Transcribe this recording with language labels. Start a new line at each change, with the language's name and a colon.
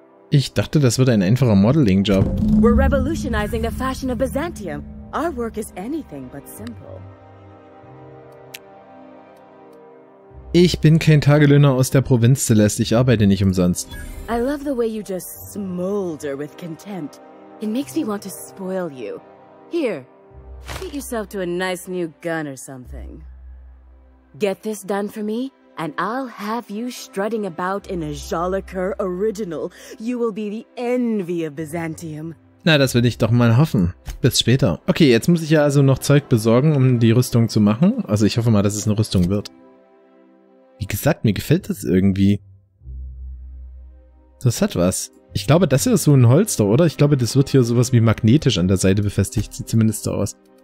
German: Ich dachte, das wird ein einfacher Modeling Job.
English: We're revolutionizing the fashion of Byzantium. Our work is anything but simple.
German: Ich bin kein Tagelöhner aus der Provinz, Celeste. Ich arbeite nicht umsonst.
English: I love the way you just smolder with contempt. It makes me want to spoil you. Here, treat yourself to a nice new gun or something. Get this done for me, and I'll have you strutting about in a Jolliker original. You will be the envy of Byzantium.
German: Na, das will ich doch mal hoffen. Bis später. Okay, jetzt muss ich ja also noch Zeug besorgen, um die Rüstung zu machen. Also ich hoffe mal, dass es eine Rüstung wird. Wie gesagt, mir gefällt das irgendwie. Das hat was. Ich glaube, das hier ist so ein Holster, oder? Ich glaube, das wird hier sowas wie magnetisch an der Seite befestigt. Sieht zumindest so aus.